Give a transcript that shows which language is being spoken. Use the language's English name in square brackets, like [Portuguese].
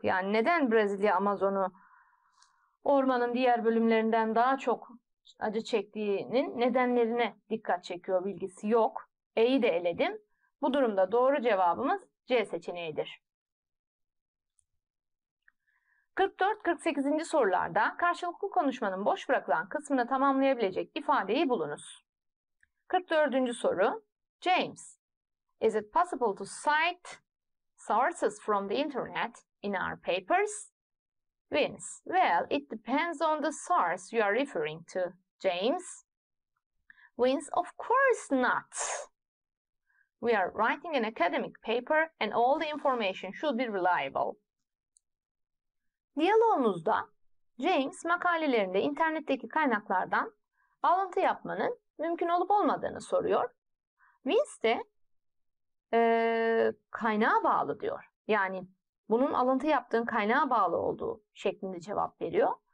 [Turkish] Yani neden Brezilya Amazon'u ormanın diğer bölümlerinden daha çok acı çektiğinin nedenlerine dikkat çekiyor bilgisi yok. E'yi de eledim. Bu durumda doğru cevabımız C seçeneğidir. 44-48. Sorularda karşılıklı konuşmanın boş bırakılan kısmını tamamlayabilecek ifadeyi bulunuz. 44. soru. [English] James, is it possible to cite sources from the internet in our papers? Vince, well, it depends on the source you are referring to, James. Vince, of course not. We are writing an academic paper and all the information should be reliable. [Turkish] Diyaloğumuzda James makalelerinde internetteki kaynaklardan alıntı yapmanın mümkün olup olmadığını soruyor. Vince de kaynağa bağlı diyor. Yani bunun alıntı yaptığın kaynağa bağlı olduğu şeklinde cevap veriyor.